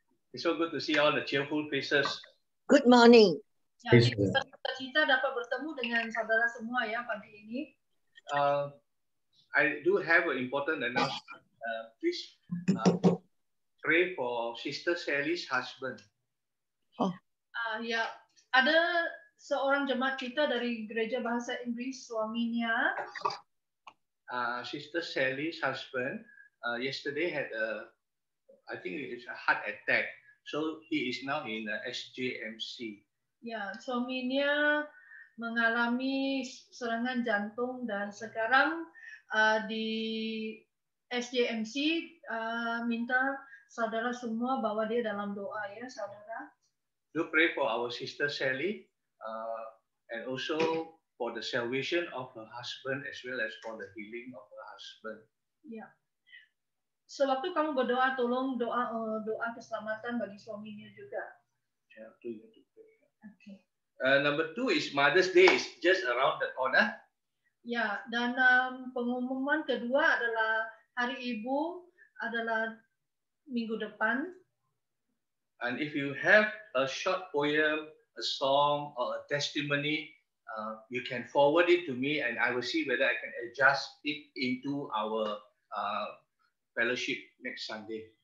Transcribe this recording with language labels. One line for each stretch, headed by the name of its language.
English: It's so good to see all the cheerful faces. Good morning.
Malay: Kita dapat bertemu dengan saudara semua ya pagi ini.
English: I do have an important announcement. Please pray for Sister Sally's husband.
Malay: Ya, ada seorang jemaat kita dari gereja bahasa Inggris, suaminya.
English: Sister Sally's husband yesterday had a heart attack. So he is now in SJMC.
Malay: Ya, suaminya mengalami serangan jantung dan sekarang di SJMC minta saudara semua bawa dia dalam doa ya, saudara.
English: Do pray for our sister Sally and also for the salvation of her husband as well as for the healing of her husband.
Malay: Ya. Sewaktu kamu berdoa, tolong doa doa keselamatan bagi suaminya juga. Ya, itu ya. Okay.
English: Number two is Mother's Day is just around the corner.
Malay: Yeah, dan pengumuman kedua adalah Hari Ibu adalah minggu depan.
English: And if you have a short poem, a song, or a testimony, you can forward it to me, and I will see whether I can adjust it into our fellowship next Sunday.